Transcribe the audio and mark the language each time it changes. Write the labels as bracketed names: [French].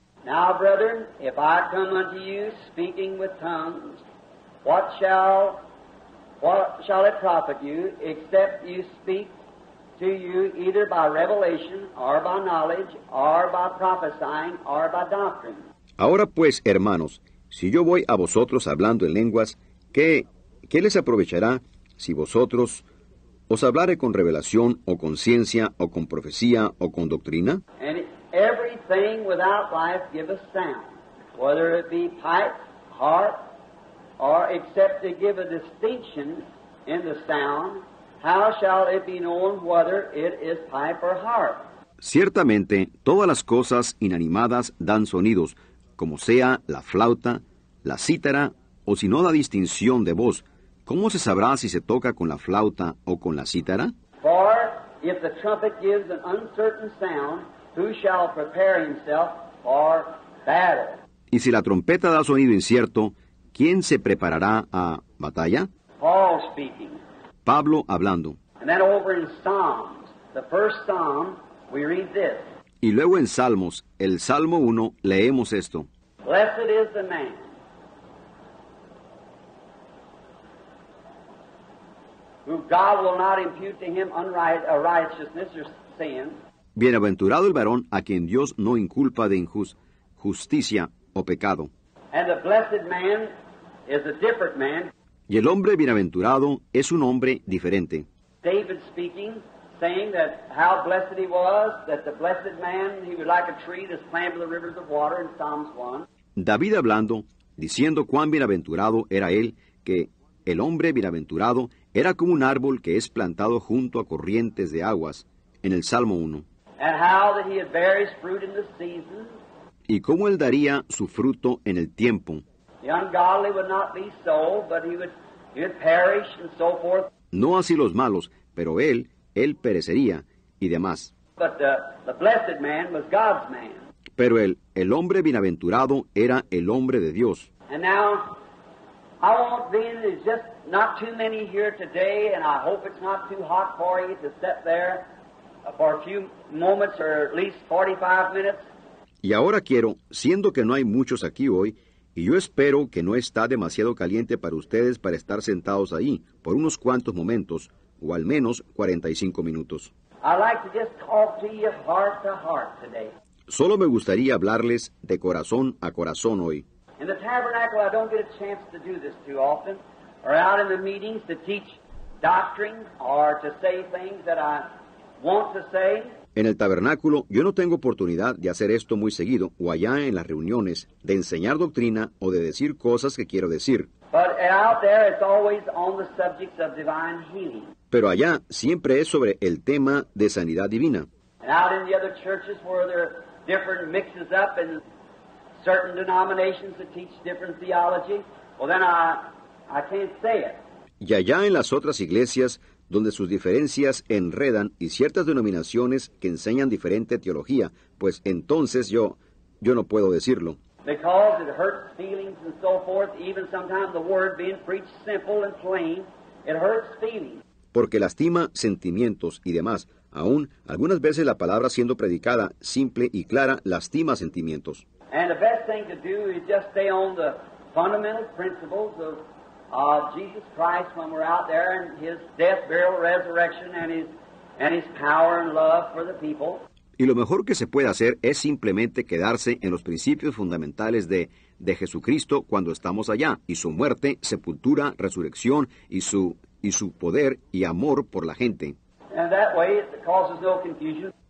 [English] Now, brethren, if I come unto you speaking with tongues, what shall it profit you, except you speak to you either by revelation, or by knowledge, or by prophesying, or by doctrine? [Spanish] Ahora pues, hermanos, si yo voy a vosotros hablando en lenguas, ¿qué les aprovechará si vosotros os hablare con revelación, o con ciencia, o con profecía, o con doctrina? [English] And everything without life giveth sound, whether it be pipe, harp, or except to give a distinction in the sound, how shall it be known whether it is pipe or harp? [Spanish] Ciertamente, todas las cosas inanimadas dan sonidos, como sea la flauta, la cítara, o si no da distinción de voz, ¿cómo se sabrá si se toca con la flauta o con la cítara? [English] For if the trumpet gives an uncertain sound, who shall prepare himself for battle? [Spanish] Y si la trompeta da sonido incierto, ¿quién se preparará a batalla? [English] Paul speaking. [Spanish] Pablo hablando. [English] And then over in Psalms, the first psalm, we read this. [Spanish] Y luego en Salmos, el Salmo 1, leemos esto. [English] Blessed is the man. God will not impute to him unrighteousness or sin. [Spanish] Bienaventurado el varón a quien Dios no inculpa de injusticia o pecado. [English] And the blessed man is a different man. [Spanish] Y el hombre bienaventurado es un hombre diferente. [English] David speaking, saying that how blessed he was, that the blessed man, he would like a tree that's planted by the rivers of water in Psalms 1. [Spanish] David hablando, diciendo cuán bienaventurado era él, que el hombre bienaventurado era como un árbol que es plantado junto a corrientes de aguas, en el Salmo 1. [English] And how that he had various fruit in the season. [Spanish] Y cómo él daría su fruto en el tiempo. [English] The ungodly would not be so, but he would perish and so forth. [Spanish] No así los malos, pero él perecería y demás. [English] But the blessed man was God's man. [Spanish] Pero el hombre bienaventurado era el hombre de Dios. [English] And now, I want then, there's just not too many here today, and I hope it's not too hot for you to sit there for a few moments or at least 45 minutes. [Spanish] Y ahora quiero, siendo que no hay muchos aquí hoy, y yo espero que no está demasiado caliente para ustedes para estar sentados ahí por unos cuantos momentos, o al menos 45 minutos. [English] I'd like to just talk to you heart to heart today. [Spanish] Solo me gustaría hablarles de corazón a corazón hoy. [English] In the tabernacle, I don't get a chance to do this too often, or out in the meetings to teach doctrine or to say things that I want to say. [Spanish] En el tabernáculo, yo no tengo oportunidad de hacer esto muy seguido, o allá en las reuniones, de enseñar doctrina o de decir cosas que quiero decir. [English] But out there, it's always on the subject of divine healing. [Spanish] Pero allá, siempre es sobre el tema de sanidad divina. [English] And out in the other churches where there are different mixes up and certain denominations that teach different theology, well then I can't say it. [Spanish] Y allá en las otras iglesias, donde sus diferencias enredan y ciertas denominaciones que enseñan diferente teología, pues entonces yo no puedo decirlo. [English] Because it hurts feelings and so forth, even sometimes the word being preached simple and plain, it hurts feelings. [Spanish] Porque lastima sentimientos y demás. Aún, algunas veces la palabra siendo predicada simple y clara lastima sentimientos. [English] And the best thing to do is just stay on the fundamental principles of Jesus Christ when we're out there and His death, burial, resurrection and His power and love for the people. [Spanish] Y lo mejor que se puede hacer es simplemente quedarse en los principios fundamentales de Jesucristo cuando estamos allá y su muerte, sepultura, resurrección y su poder y amor por la gente. [English] And that way it causes no confusion.